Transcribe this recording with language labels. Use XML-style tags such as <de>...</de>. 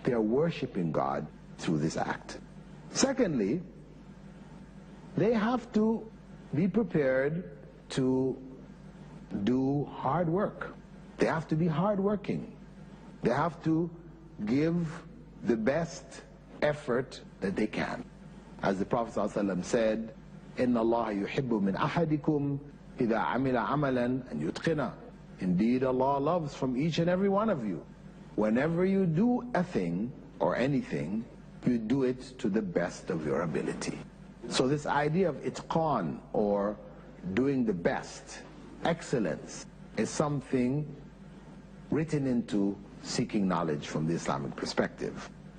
<en>They are worshiping God through this act. Secondly, they have to be prepared to do hard work. They have to be hardworking. They have to give the best effort that they can. As the Prophet ﷺ said,</en> <ar>إِنَّ اللَّهَ يُحِبُّ مِنْ أَحَدِكُمْ إِذَا عَمِلَ عَمَلًا أَنْ يُتْقِنَ.</ar> <en>Indeed, Allah loves from each and every one of you. Whenever you do a thing or anything, you do it to the best of your ability. So this idea of itqan, or doing the best, excellence, is something written into seeking knowledge from the Islamic perspective.</en>